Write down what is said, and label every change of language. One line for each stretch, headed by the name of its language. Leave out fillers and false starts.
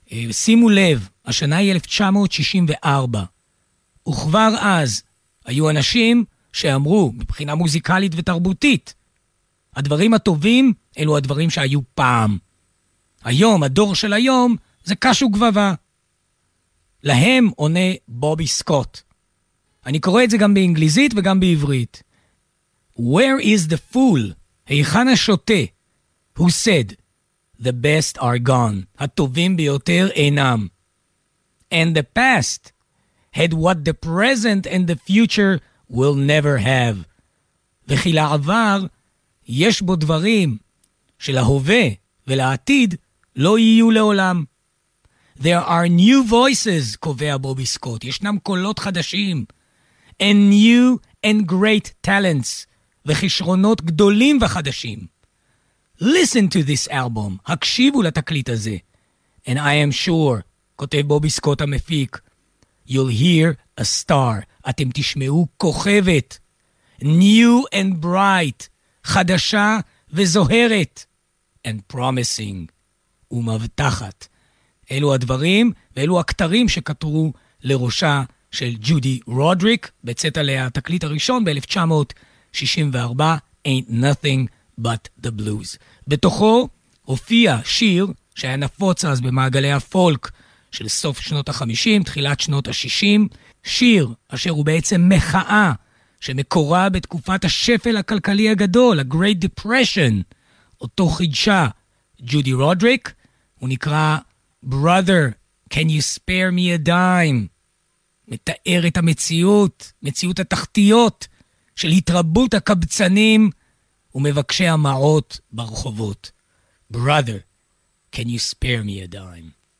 Hebrew: שימו לב, השנה היא 1964, וכבר אז היו אנשים שאמרו, מבחינה מוזיקלית ותרבותית, הדברים הטובים אלו הדברים שהיו פעם. היום, הדור של היום, זה קש וגבבה. להם עונה בובי סקוט. אני קורא את זה גם באנגליזית וגם בעברית.
English: Where is the fool?
Hebrew: היכן השוטה?
English: Who said, the best are gone.
Hebrew: הטובים ביותר אינם.
English: And the past had what the present and the future will never have.
Hebrew: וכי לעבר יש בו דברים שלהווה ולעתיד לא יהיו לעולם.
English: There are new voices,
Hebrew: קובע בובי סקוט. ישנם קולות חדשים.
English: And new and great talents.
Hebrew: וכישרונות גדולים וחדשים.
English: Listen to this album.
Hebrew: הקשיבו לתקליט הזה.
English: And I am sure,
Hebrew: כותב בובי סקוט המפיק,
English: you'll hear a star.
Hebrew: אתם תשמעו כוכבת.
English: New and bright.
Hebrew: חדשה וזוהרת.
English: And promising.
Hebrew: ומבטחת. אלו הדברים ואלו הכתרים שכתרו לראשה של ג'ודי רודריק, בצאת עליה התקליט הראשון ב-1964, Ain't Nothing But The Blues. בתוכו הופיע שיר שהיה נפוץ אז במעגלי הפולק של סוף שנות ה-50, תחילת שנות ה-60, שיר אשר הוא בעצם מחאה שמקורה בתקופת השפל הכלכלי הגדול, ה-Great Depression, אותו חידשה ג'ודי רודריק, הוא נקרא Brother, can you spare me a dime? מתאר את המציאות, מציאות התחתיות של התרבות הקבצנים ומבקשי המעות ברחובות.
English: Brother, can you spare me a dime?